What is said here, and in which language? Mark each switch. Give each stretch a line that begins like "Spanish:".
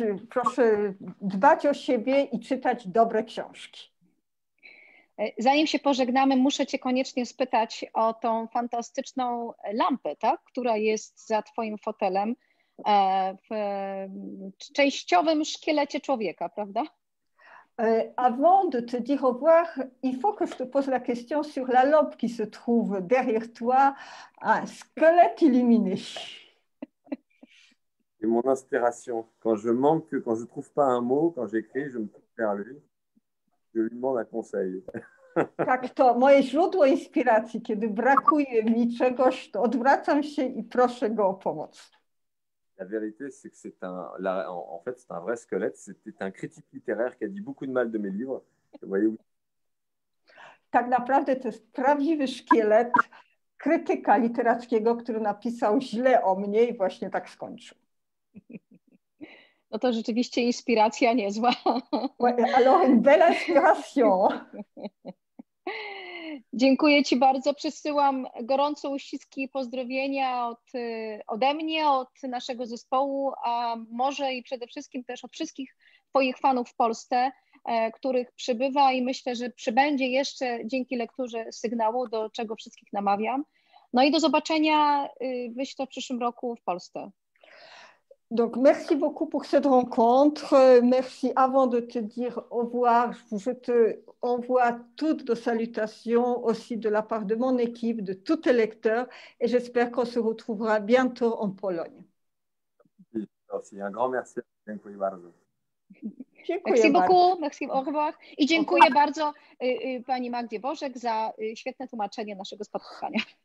Polish: Proszę dbać o siebie i czytać dobre książki. Zanim się pożegnamy, muszę cię koniecznie spytać o tą fantastyczną lampę, tak, która jest za twoim fotelem. W częściowym szkielecie człowieka, prawda?
French: Avant de te dire au revoir, il faut que je te pose la question sur la lampe qui se trouve derrière toi, un squelette illuminé. C'est mon inspiration. Quand je ne trouve pas un mot, quand j'écris, je me tourne vers lui. Je lui demande un conseil.
Polish: Tak, to moje źródło inspiracji, kiedy brakuje mi czegoś, to odwracam się i proszę go o pomoc.
French: La vérité, c'est que en fait, c'est un vrai squelette. C'était un critique littéraire qui a dit beaucoup de mal de mes livres. Vous voyez où?
Polish: Tak naprawdę to jest prawdziwy szkielet krytyka literackiego, który napisał źle o mnie i właśnie tak skończył. No to rzeczywiście inspiracja niezła.
French: Alors, une belle inspiration.
Polish: Dziękuję ci bardzo. Przesyłam gorące uściski i pozdrowienia ode mnie, od naszego zespołu, a może i przede wszystkim też od wszystkich twoich fanów w Polsce, których przybywa i myślę, że przybędzie jeszcze dzięki lekturze sygnału, do czego wszystkich namawiam. No i do zobaczenia, myślę, w przyszłym roku w Polsce.
French: Donc, merci beaucoup pour cette rencontre. Merci. Avant de te dire au revoir, je te envoie toutes nos salutations aussi de la part de mon équipe, de tous tes lecteurs, et j'espère qu'on se retrouvera bientôt en Pologne. Merci. Un grand merci.
Polish: Dziękuję bardzo. Dziękuję
French: Merci
Polish: bardzo.
French: beaucoup, merci, au revoir.
Polish: I dziękuję bardzo pani Magdzie Bożek za świetne tłumaczenie naszego spotkania.